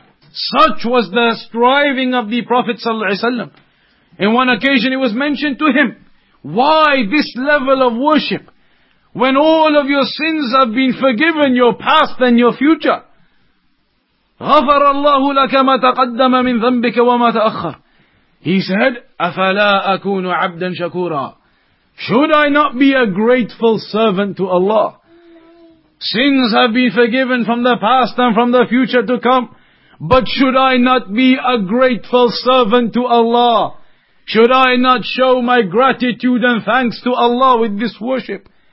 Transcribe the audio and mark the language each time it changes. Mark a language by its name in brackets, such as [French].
[English] Such was the striving of the Prophet sallallahu alaihi wasallam. In one occasion it was mentioned to him, why this level of worship when all of your sins have been forgiven, your past and your future? [Arabic] غَفَرَ اللَّهُ لَكَ مَا تَقَدَّمَ مِنْ ذَنْبِكَ وَمَا تَأَخَّرَ. [English] He said, [Arabic] أَفَلَا أَكُونُ عَبْدًا شَكُورًا. [English] Should I not be a grateful servant to Allah? Sins have been forgiven from the past and from the future to come. But should I not be a grateful servant to Allah? Should I not show my gratitude and thanks to Allah with this worship?